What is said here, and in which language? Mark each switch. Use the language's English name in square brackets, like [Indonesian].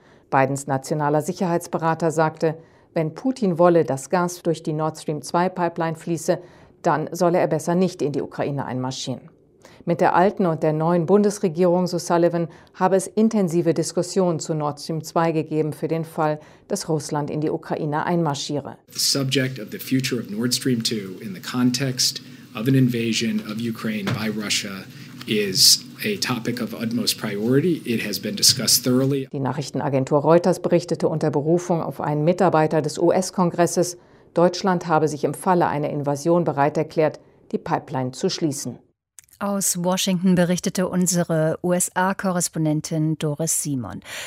[German] Bidens nationaler Sicherheitsberater sagte, wenn Putin wolle, dass Gas durch die Nord Stream 2-Pipeline fließe, dann solle er besser nicht in die Ukraine einmarschieren. Mit der alten und der neuen Bundesregierung, so Sullivan, habe es intensive Diskussionen zu Nord Stream 2 gegeben für den Fall, dass Russland in die Ukraine einmarschiere. [English] The subject of the future of Nord Stream 2 in the context of an invasion of Ukraine by Russia is a topic of utmost priority. It has been discussed thoroughly. [German] Die Nachrichtenagentur Reuters berichtete unter Berufung auf einen Mitarbeiter des US-Kongresses, Deutschland habe sich im Falle einer Invasion bereit erklärt, die Pipeline zu schließen. Aus Washington berichtete unsere USA-Korrespondentin Doris Simon.